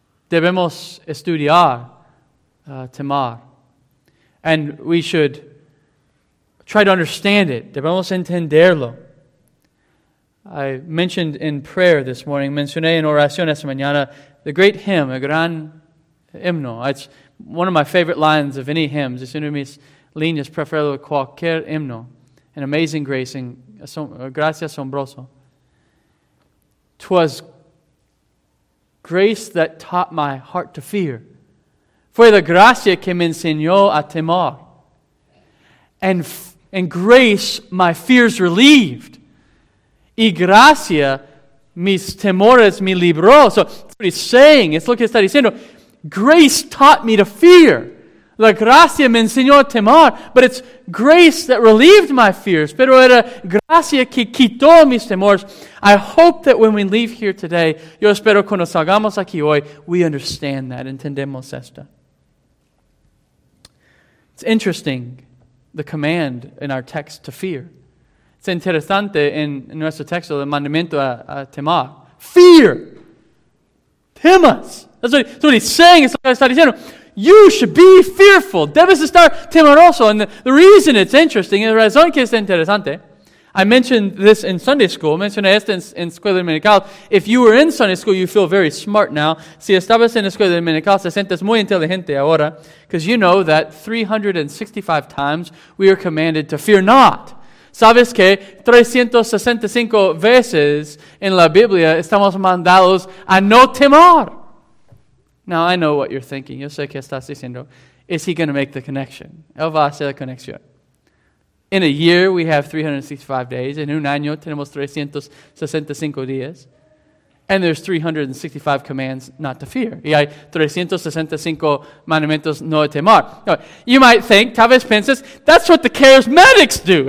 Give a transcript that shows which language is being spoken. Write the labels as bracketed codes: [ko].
[es] Debemos estudiar temor. [en] And we should try to understand it. [es] Debemos entenderlo. [en] I mentioned in prayer this morning, [es] mencioné en oración esta mañana, [en] the great hymn, [es] a gran himno. [en] It's one of my favorite lines of any hymns. [es] Es una de mis líneas preferidas de cualquier himno. [en] An amazing grace and [es] gracia asombroso. [en] 'Twas grace that taught my heart to fear. [es] Fue la gracia que me enseñó a temor. [en] And grace, my fears relieved. [es] Y gracia, mis temores me libró. [en] So, that's what he's saying. It's what he's saying. Grace taught me to fear. [es] La gracia me enseñó a temor. [en] But it's grace that relieved my fears. [es] Pero era gracia que quitó mis temores. [en] I hope that when we leave here today, [es] yo espero cuando salgamos aquí hoy, [en] we understand that. [es] Entendemos esto. [en] It's interesting, the command in our text to fear. [es] Es interesante en nuestro texto el mandamiento a temor. [en] Fear! [es] Temas! [en] That's what he's saying. It's what he's saying. You should be fearful. [es] Debes estar temeroso. [en] And the reason it's interesting, [es] la razón que es interesante, [en] I mentioned this in Sunday school. [es] Mencioné esto en escuela dominical. [en] If you were in Sunday school, you feel very smart now. [es] Si estabas en escuela dominical, te sientes muy inteligente ahora. [en] Because you know that 365 times we are commanded to fear not. [es] Sabes que 365 veces en la Biblia estamos mandados a no temor. [en] Now, I know what you're thinking. [es] Yo sé que estás diciendo, [en] is he going to make the connection? [es] Él va a hacer la conexión. [en] In a year, we have 365 days. [es] En un año, tenemos 365 días. [en] And there's 365 commands not to fear. [es] Y hay 365 mandamientos no de temor. [en] Now, you might think, [es] tal vez pienses, [en] that's what the charismatics do.